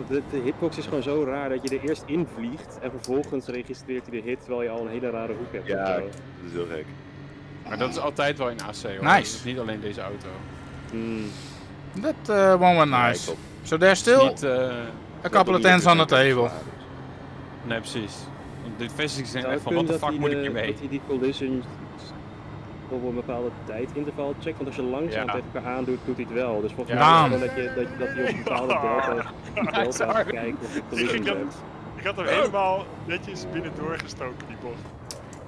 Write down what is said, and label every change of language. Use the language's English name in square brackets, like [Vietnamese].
[Dutch] De hitbox is gewoon zo raar dat je er eerst in vliegt en vervolgens registreert hij de hit terwijl je al een hele rare hoek hebt. Ja, dat is heel gek. Maar dat is altijd wel in AC, hoor. [English] Nice! [Dutch] Dat is niet alleen deze auto. [English] Dat one went nice. So there's still a couple of tens on the table. [Dutch] Nee, precies. De vestigingen zijn echt van, [English] what the fuck [Dutch] moet ik hiermee? Dat hij die collision op een bepaalde tijdinterval checkt, want als je langzaam tegen elkaar aandoet, doet hij het wel. Dus volgens mij is het dat hij op een bepaalde delta kijkt of de collision hebt. Ik had hem helemaal netjes binnendoor gestoken, die bocht.